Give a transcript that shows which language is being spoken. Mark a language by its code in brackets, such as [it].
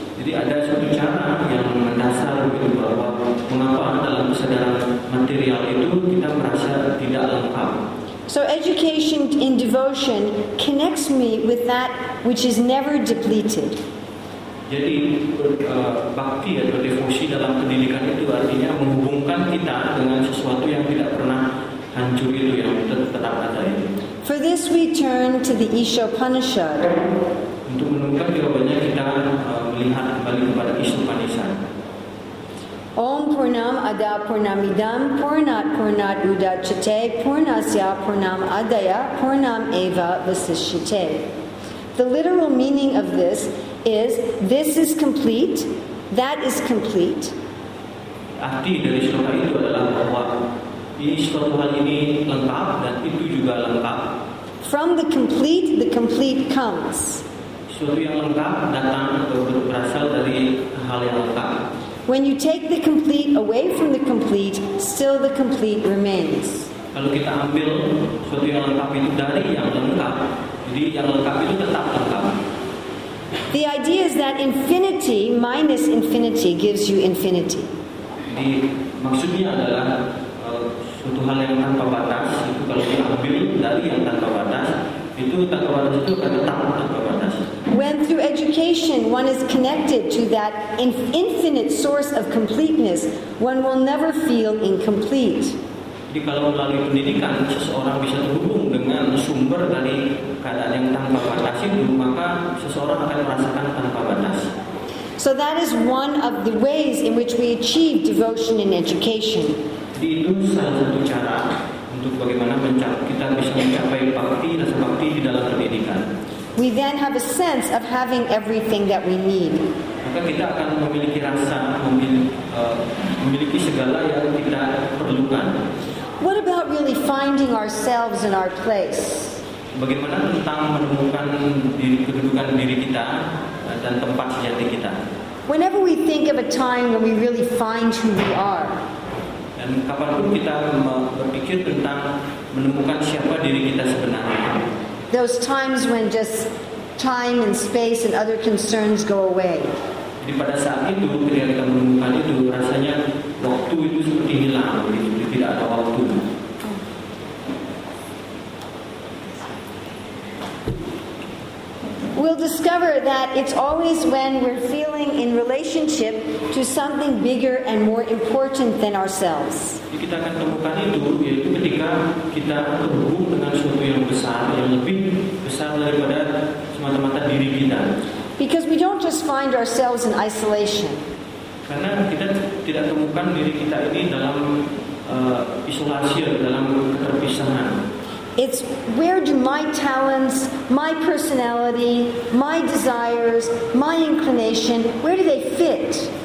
[id] Jadi ada satu cara yang mendasar begitu bahwa mengapa dalam kesadaran material itu kita merasa tidak lengkap. [en] So education in devotion connects me with that which is never depleted. [id] Jadi bakti atau devosi dalam pendidikan itu artinya menghubungkan kita dengan sesuatu yang tidak pernah hancur itu yang tetap ada itu. [en] For this we turn to the Isha Upanishad. [id] Untuk menemukan jawabannya kita melihat kembali kepada Isha Upanishad. [sa] Om Purnam Ada Purnam Idam Purnat Purnat Udachate Purnasya Purnam Adaya Purnam Eva Vasishchate. [en] The literal meaning of this is this is complete, that is complete. [id] Arti dari sloka itu adalah bahwa ini suatu hal ini lengkap dan itu juga lengkap. [en] From the complete comes. [id] Suatu yang lengkap datang atau berasal dari hal yang lengkap. [en] When you take the complete away from the complete, still the complete remains. [id] Kalau kita ambil suatu yang lengkap itu dari yang lengkap, jadi yang lengkap itu tetap lengkap. [en] The idea is that infinity minus infinity gives you infinity. [id] Jadi maksudnya adalah suatu hal yang tanpa batas itu kalau diambil dari yang tanpa batas itu tanpa batas itu akan tetap tanpa batas. [en] When through education one is connected to that infinite source of completeness, one will never feel incomplete. [id] Jadi kalau melalui pendidikan seseorang bisa terhubung dengan sumber dari keadaan yang tanpa batas itu, maka seseorang akan merasakan tanpa batas. [en] So that is one of the ways in which we achieve devotion in education. [id] Jadi itu salah satu cara untuk bagaimana kita bisa mencapai bhakti, rasa bhakti di dalam pendidikan. [en] We then have a sense of having everything that we need. [id] Maka kita akan memiliki rasa memiliki segala yang kita perlukan. [en] What about really finding ourselves in our place? [id] Bagaimana tentang menemukan kedudukan diri kita dan tempat sejati kita? [en] Whenever we think of a time when we really find who we are. [id] Dan kapanpun kita berpikir tentang menemukan siapa diri kita sebenarnya. [en] Those times when just time and space and other concerns go away. [id] Jadi pada saat itu ketika kita menemukan itu rasanya waktu itu seperti hilang, jadi tidak ada waktu. [en] we'll discover that it's always when we're feeling in relationship to something bigger and more important than ourselves. [id] Kita akan temukan itu yaitu ketika kita terhubung dengan sesuatu yang besar, yang lebih besar daripada semata-mata diri kita. [en] Because we don't just find ourselves in isolation. [id] Karena kita tidak temukan diri kita ini dalam isolasi atau dalam keterpisahan. [en] It's where do my talents, my personality, my desires, my inclination, where do they fit?